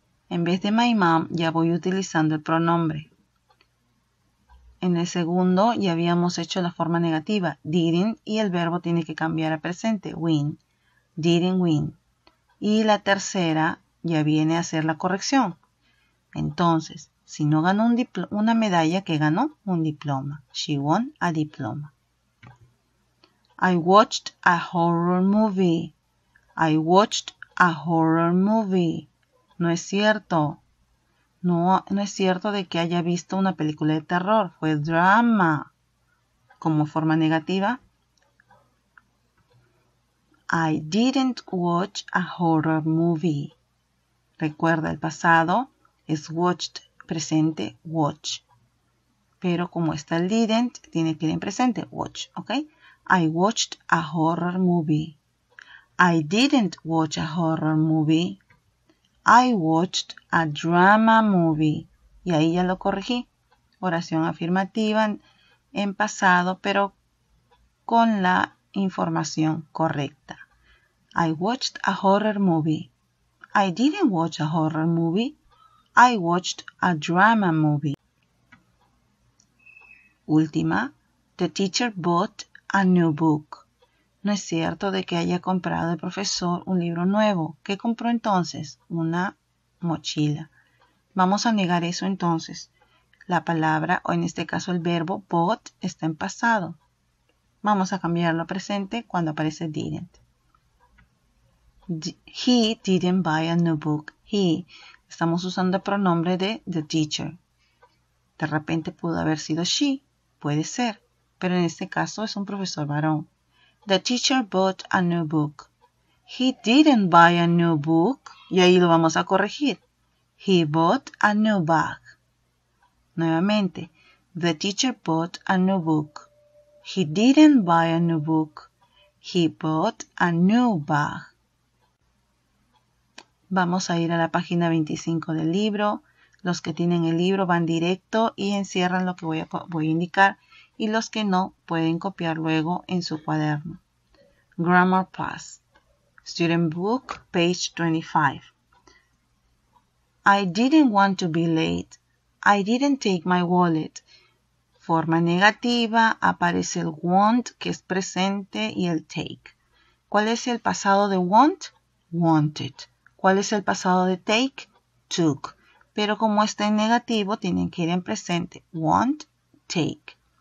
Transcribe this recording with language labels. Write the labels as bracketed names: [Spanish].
[Spanish] En vez de [English] my mom, [Spanish] ya voy utilizando el pronombre. En el segundo, ya habíamos hecho la forma negativa. Didn't y el verbo tiene que cambiar a presente. [English] Win. Didn't win. [Spanish] Y la tercera, ya viene a hacer la corrección. Entonces, si no ganó una medalla, ¿qué ganó? Un diploma. [English] She won a diploma. I watched a horror movie. I watched a horror movie. [Spanish] No es cierto. No es cierto de que haya visto una película de terror. Fue drama. Como forma negativa. [English] I didn't watch a horror movie. [Spanish] Recuerda, el pasado es watched, presente, watch. Pero como está el didn't, tiene que ir en presente, watch, ¿ok? [English] I watched a horror movie. I didn't watch a horror movie. I watched a drama movie. [Spanish] Y ahí ya lo corregí. Oración afirmativa en pasado, pero con la información correcta. [English] I watched a horror movie. I didn't watch a horror movie. I watched a drama movie. [Spanish] Última. [English] The teacher bought a new book. [Spanish] No es cierto de que haya comprado el profesor un libro nuevo. ¿Qué compró entonces? Una mochila. Vamos a negar eso entonces. La palabra, o en este caso el verbo bought, está en pasado. Vamos a cambiarlo a presente cuando aparece didn't. [English] He didn't buy a new book. He. [Spanish] Estamos usando el pronombre de the teacher. De repente pudo haber sido she. Puede ser. pero en este caso es un profesor varón. [English] The teacher bought a new book. He didn't buy a new book. [Spanish] Y ahí lo vamos a corregir. [English] He bought a new bag. [Spanish] Nuevamente. [English] The teacher bought a new book. He didn't buy a new book. He bought a new bag. [Spanish] Vamos a ir a la página 25 del libro. Los que tienen el libro van directo y encierran lo que voy a indicar. Y los que no, pueden copiar luego en su cuaderno. [English] Grammar Pass. Student Book, page 25. I didn't want to be late. I didn't take my wallet. [Spanish] Forma negativa, aparece el want, que es presente, y el take. ¿Cuál es el pasado de want? Wanted. ¿Cuál es el pasado de take? Took. Pero como está en negativo, tienen que ir en presente. Want, take.